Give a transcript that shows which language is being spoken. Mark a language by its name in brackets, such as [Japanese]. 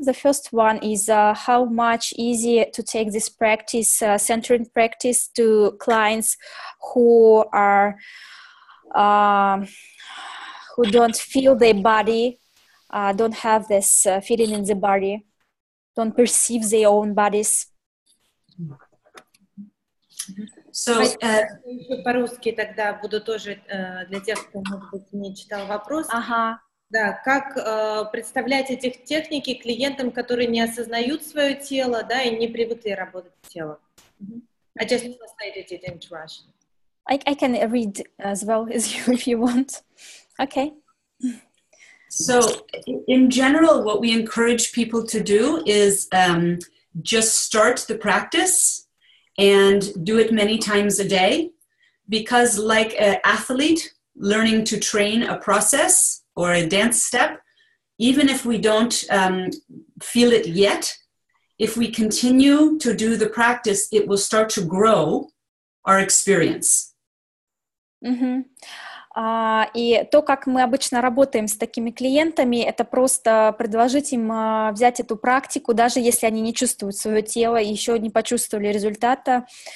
[English] The first one is how much easier to take this practice, centering practice, to clients who are who don't feel their body, don't have this feeling in the body, don't perceive their own bodies. So, [Russian] по-русски тогда буду тоже для тех, кто, может быть, не читал вопрос. Ага. Да, как представлять эти техники клиентам, которые не осознают свое тело, да, и не привыкли работать с телом? [English] Mm-hmm. I just translated it into Russian. I can read as well as you, if you want. Okay. So, in general, what we encourage people to do is just start the practice and do it many times a day, because like an athlete learning to train a process or a dance step, even if we don't feel it yet, if we continue to do the practice, it will start to grow our experience. Mm-hmm. [Russian] И то, как мы обычно работаем с такими клиентами, это просто предложить им взять эту практику, даже если они не чувствуют свое тело и еще не почувствовали результата.